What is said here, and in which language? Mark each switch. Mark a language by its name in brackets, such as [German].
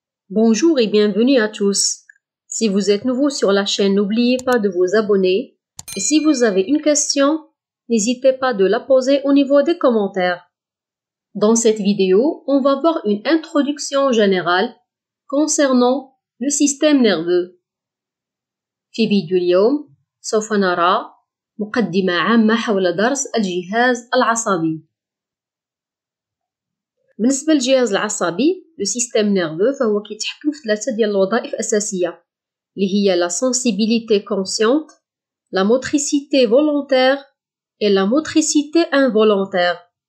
[French] Bonjour et bienvenue à tous. Si vous êtes nouveau sur la chaîne, n'oubliez pas de vous abonner. Et si vous avez une question, n'hésitez pas de la poser au niveau des commentaires. Dans cette vidéo, on va voir une introduction générale concernant le système nerveux. [Arabic] في فيديو اليوم سوف نرى مقدمة عامة حول درس الجهاز العصبي. بالنسبة للجهاز العصبي [French] Le système nerveux, il y a la sensibilité consciente, la motricité volontaire et la motricité involontaire.